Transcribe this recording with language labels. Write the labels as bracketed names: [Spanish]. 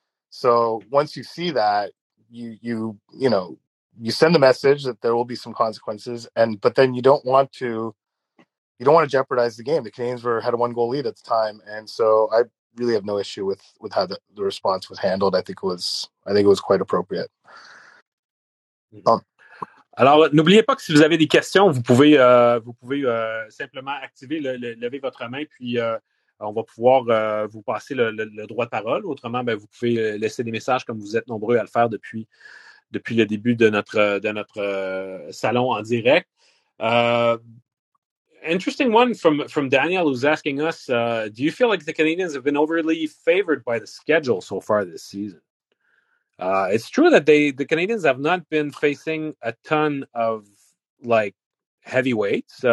[English] So once you see that, you know. You send the message that there will be some consequences, but then you don't want to jeopardize the game. The Canadiens had a one goal lead at the time, and so I really have no issue with how the response was handled. I think it was quite appropriate. [French] Alors, n'oubliez pas que si vous avez des questions, vous pouvez simplement activer lever votre main, puis on va pouvoir vous passer le droit de parole. Autrement, ben vous pouvez laisser des messages comme vous êtes nombreux à le faire depuis le début de notre salon en direct. [English] Interesting one from Daniel, who's asking us, do you feel like the Canadiens have been overly favored by the schedule so far this season? It's true that the Canadiens have not been facing a ton of, like, heavyweights.